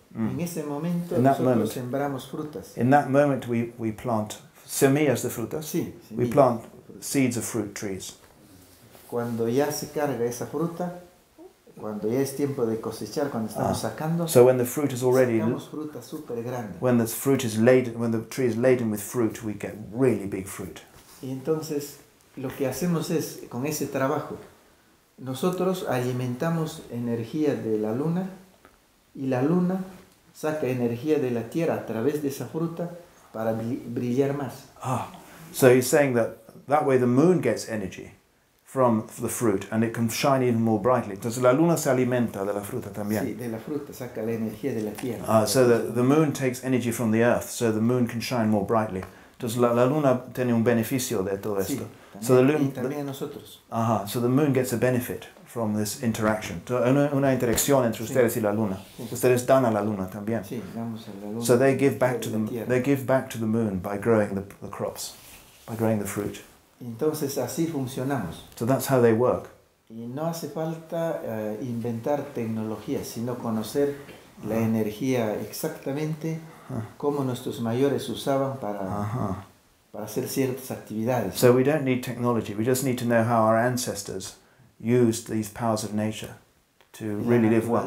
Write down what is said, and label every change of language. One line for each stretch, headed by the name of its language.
Spanish: Mm. En ese momento, nosotros sembramos frutas.
English: In that moment, we plant
Spanish: semillas de frutas. Sí,
English: we plant seeds of fruit trees.
Spanish: Cuando ya se carga esa fruta, cuando ya es tiempo de cosechar, cuando estamos sacando,
English: so when the fruit is already,
Spanish: sacamos fruta super grande.
English: When the fruit is laden, when the tree is laden with fruit, we get really big fruit.
Spanish: Y entonces, lo que hacemos es, con ese trabajo, nosotros alimentamos energía de la luna, y la luna saca energía de la tierra a través de esa fruta para brillar más.
English: Ah, so he's saying that way the moon gets energy from the fruit, and it can shine even more brightly.
Spanish: Entonces la luna se alimenta de la fruta también. Sí, de la fruta, saca la energía de la tierra.
English: Ah, so the moon takes energy from the earth, so the moon can shine more brightly.
Spanish: Entonces la luna tiene un beneficio de todo esto. Sí, también,
English: so the
Spanish: luna, y también nosotros.
English: Ajá, so the moon gets a benefit from this interaction.
Spanish: Una interacción entre ustedes y la luna. Sí. Ustedes dan a la luna también. Sí, damos a la luna.
English: So they give back to the moon by growing the crops, by growing the fruit.
Spanish: Entonces así funcionamos.
English: So that's how they work.
Spanish: Y no hace falta inventar tecnología, sino conocer la energía exactamente como nuestros mayores usaban para hacer ciertas actividades.
English: So we don't need technology, we just need to know how our ancestors used these powers of nature to really live well.